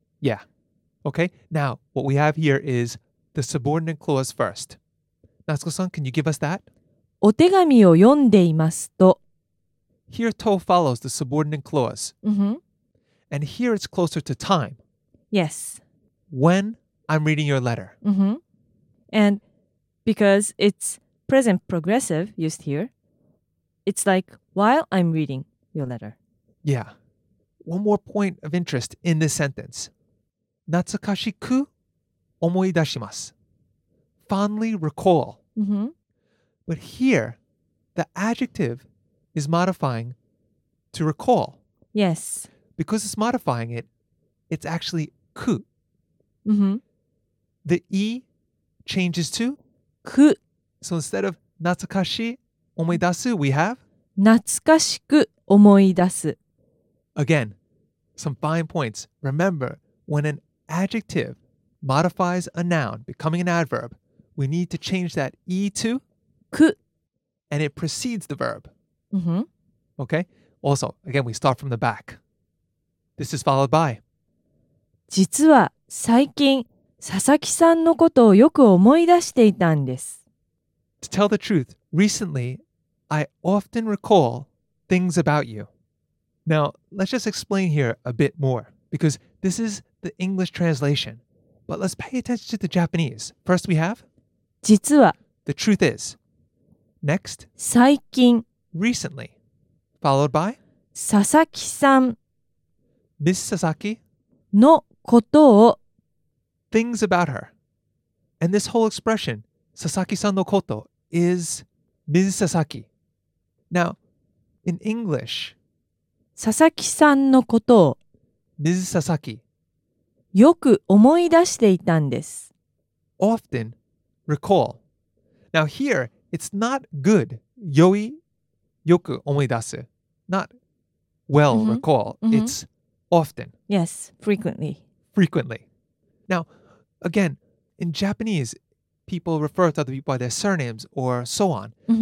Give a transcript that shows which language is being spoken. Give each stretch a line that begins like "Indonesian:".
English: Yeah. Okay, now what we have here is the subordinate clause first. Natsuko-san, can you give us that?
Japanese: お手紙を読んでいますと。
English: Here, to follows the subordinate clause. Mm-hmm. And here it's closer to time. Yes. When I'm reading your letter. Mm-hmm. And because it's... Present progressive used here. It's like while I'm reading your letter. Yeah. One more point of interest in this sentence.
Japanese: 懐かしく思い出します.
English: Fondly recall. Mm-hmm. But here, the adjective is modifying to recall. Yes. Because it's modifying it, it's actually く. Mm-hmm. The E changes to
Japanese: く.
English: So instead of
Japanese: 懐かしい思い出す,
English: we have?
Japanese: 懐かしく思い出す.
English: Again, some fine points. Remember, when an adjective modifies a noun, becoming an adverb, we need to change that E to?
Japanese: く.
English: And it precedes the verb. Mm-hmm. Okay? Also, again, we start from the back. This is followed by.
Japanese: 実は最近、佐々木さんのことをよく思い出していたんです。
English: To tell the truth, recently, I often recall things about you. Now, let's just explain here a bit more, because this is the English translation. But let's pay attention to the Japanese. First we have?
Japanese: 実は。
English: The truth is. Next?
Japanese: 最近。
English: Recently. Followed by?
Japanese: 佐々木さん。
English: Miss Sasaki?
Japanese: のことを。
English: Things about her. And this whole expression,
Japanese: Sasaki-san no koto,
English: is Ms. Sasaki. Now, in English,
Japanese: Sasaki-san no koto,
English: Ms. Sasaki,
Japanese: よく思い出していたんです。
English: Often, recall. Now here, it's not good, yoi,
Japanese: よく思い出す.
English: Not well, mm-hmm. recall. Mm-hmm. It's often. Yes, frequently. Frequently. Now, again, in Japanese, people refer to other people by their surnames or so on. Mm-hmm.